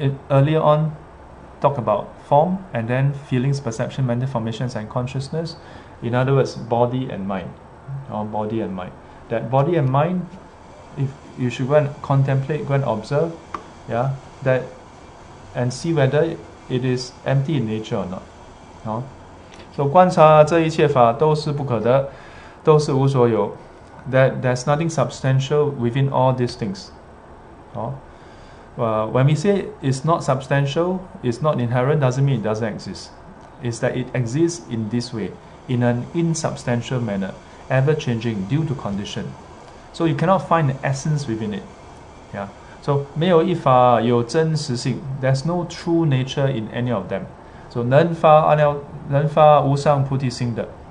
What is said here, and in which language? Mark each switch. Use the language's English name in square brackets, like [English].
[English] Earlier on, talk about form and then feelings, perception, mental formations and consciousness. In other words, body and mind. That body and mind, if you should go and contemplate, go and observe, that and see whether it is empty in nature or not. [Chinese] So 观察这一切法都是不可得，都是无所有。 [English] That there's nothing substantial within all these things. When we say it's not substantial, it's not inherent, doesn't mean it doesn't exist. It's that it exists in this way, in an insubstantial manner, ever-changing due to condition. So you cannot find the essence within it. So [Chinese] 没有一法有真实性, [English] there's no true nature in any of them. [Chinese] So 能发无上菩提心的。